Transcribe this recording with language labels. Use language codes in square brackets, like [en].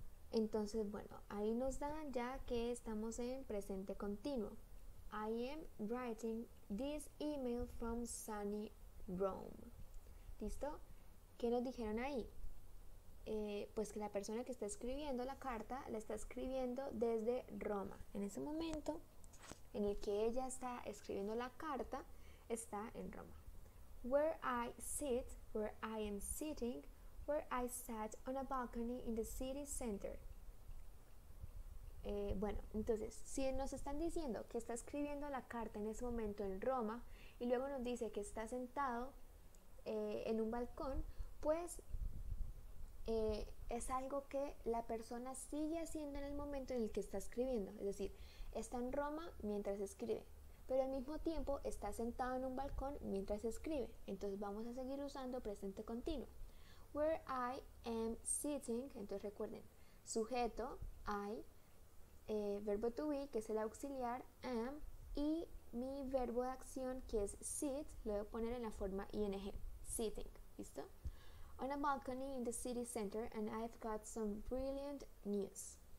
[es] Entonces, bueno, ahí nos dan ya que estamos en presente continuo. [en] I am writing this email from sunny Rome. [es] ¿Listo? ¿Qué nos dijeron ahí? Pues que la persona que está escribiendo la carta la está escribiendo desde Roma. En ese momento en el que ella está escribiendo la carta, está en Roma. [en] Where I sit, where I am sitting, where I sat on a balcony in the city center. [es] Bueno, entonces, si nos están diciendo que está escribiendo la carta en ese momento en Roma y luego nos dice que está sentado en un balcón, pues es algo que la persona sigue haciendo en el momento en el que está escribiendo. Es decir, está en Roma mientras escribe, pero al mismo tiempo está sentado en un balcón mientras escribe. Entonces vamos a seguir usando presente continuo. [en] Where I am sitting, [es] entonces recuerden, sujeto, I, verbo to be, que es el auxiliar, am, y mi verbo de acción, que es sit, lo voy a poner en la forma ing, sitting, ¿listo? [en] On a balcony in the city center and I've got some brilliant news.